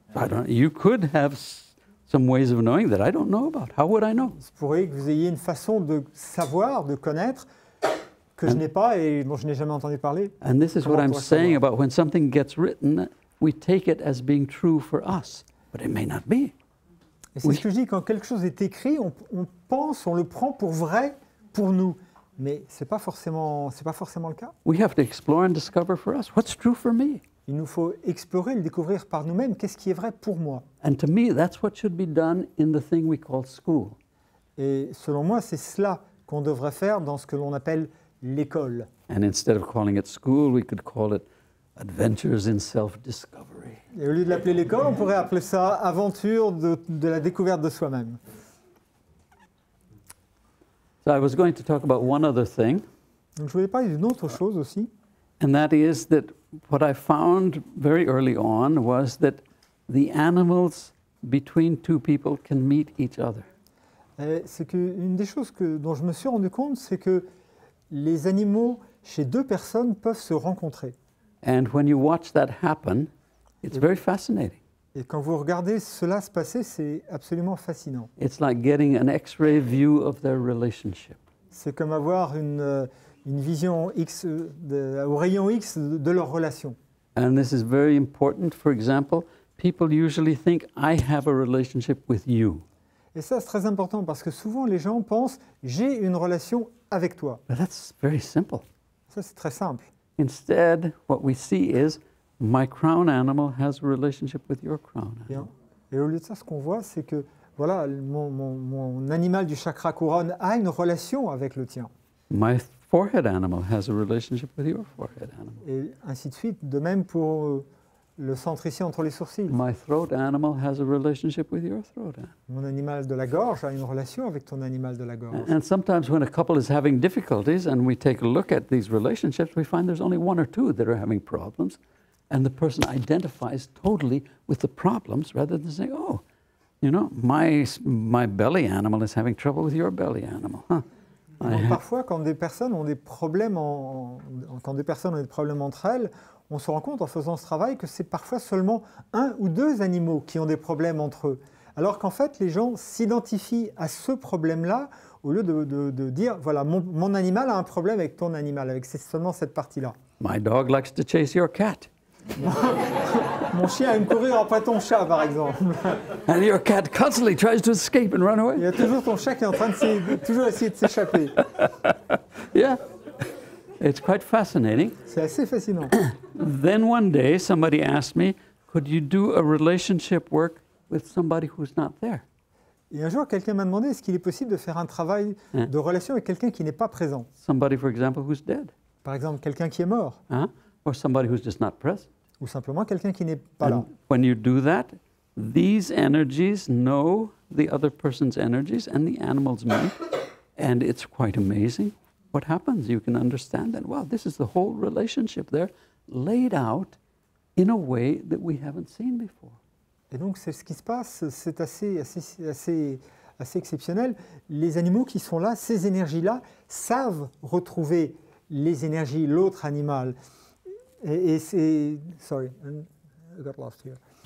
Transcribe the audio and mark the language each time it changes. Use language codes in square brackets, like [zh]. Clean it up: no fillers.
[en] I don't, you could have some ways of knowing that I don't know about. How would I know? [fr] Ça pourrait que vous ayez une façon de savoir, de connaître que [en] and, [fr] je n'ai pas et dont je n'ai jamais entendu parler. [en] And this is what I'm saying about when something gets written, we take it as being true for us. But it may not be. [fr] Et c'est ce que je dis, quand quelque chose est écrit, on pense, on le prend pour vrai, pour nous. Mais c'est pas forcément le cas. [en] We have to explore and discover for us. What's true for me? [fr] Il nous faut explorer et découvrir par nous-mêmes qu'est-ce qui est vrai pour moi. [en] And to me, that's what should be done in the thing we call school. [fr] Et selon moi, c'est cela qu'on devrait faire dans ce que l'on appelle l'école. [en] And instead of calling it school, we could call it Adventures in Self-Discovery. [fr] Et au lieu de l'appeler l'école, on pourrait appeler ça aventure de la découverte de soi-même. [en] So I was going to talk about one other thing. [fr] Donc je voulais parler d'une autre chose aussi. [en] And that is that what I found very early on was that the animals between two people can meet each other. [fr] Et c'est qu'une des choses dont je me suis rendu compte, c'est que les animaux chez deux personnes peuvent se rencontrer. [en] And when you watch that happen, it's very fascinating. [fr] Et quand vous regardez cela se passer, c'est absolument fascinant. [en] It's like getting an X-ray view of their relationship. [fr] C'est comme avoir une vision X au rayon X de leur relation. [en] And this is very important. For example, people usually think I have a relationship with you. [fr] Et ça, c'est très important parce que souvent les gens pensent j'ai une relation avec toi. [en] But that's very simple. [fr] Ça, c'est très simple. [en] Instead, what we see is my crown animal has a relationship with your crown animal. [fr] Bien. Et au lieu de ça, ce qu'on voit, c'est que voilà, mon animal du chakra couronne a une relation avec le tien. [en] My forehead animal has a relationship with your forehead animal. [fr] Et ainsi de suite, de même pour le centre ici entre les sourcils. [en] My throat animal has a relationship with your throat animal. [fr] Mon animal de la gorge a une relation avec ton animal de la gorge. [en] And sometimes when a couple is having difficulties and we take a look at these relationships, we find there's only one or two that are having problems and the person identifies totally with the problems rather than saying, oh, you know, my belly animal is having trouble with your belly animal. Huh. [fr] Parfois, quand des personnes ont des problèmes entre elles, on se rend compte en faisant ce travail que c'est parfois seulement un ou deux animaux qui ont des problèmes entre eux. Alors qu'en fait, les gens s'identifient à ce problème-là au lieu de dire, voilà, mon animal a un problème avec ton animal, avec seulement cette partie-là. [en] My dog likes to chase your cat. [fr] Mon chien aime courir après ton chat, par exemple. [en] And your cat constantly tries to escape and run away. [fr] Il y a toujours ton chat qui est en train de toujours essayer de s'échapper. [en] Yeah, it's quite fascinating. [fr] C'est assez fascinant. [en] Then one day somebody asked me, could you do a relationship work with somebody who's not there? [fr] Et un jour, quelqu'un m'a demandé, est-ce qu'il est possible de faire un travail de relation avec quelqu'un qui n'est pas présent? [en] Somebody, for example, who's dead. [fr] Par exemple, quelqu'un qui est mort. [en] Huh? Or somebody who's just not present. [fr] Ou simplement quelqu'un qui n'est pas [en] and [fr] là. [en] When you do that, these energies know the other person's energies and the animal's mind. And it's quite amazing what happens. You can understand that, wow, this is the whole relationship there laid out in a way that we haven't seen before. [fr] Et donc, c'est ce qui se passe, c'est assez exceptionnel. Les animaux qui sont là, ces énergies-là, savent retrouver les énergies, l'autre animal. Et c'est... [en] Sorry, I got lost here.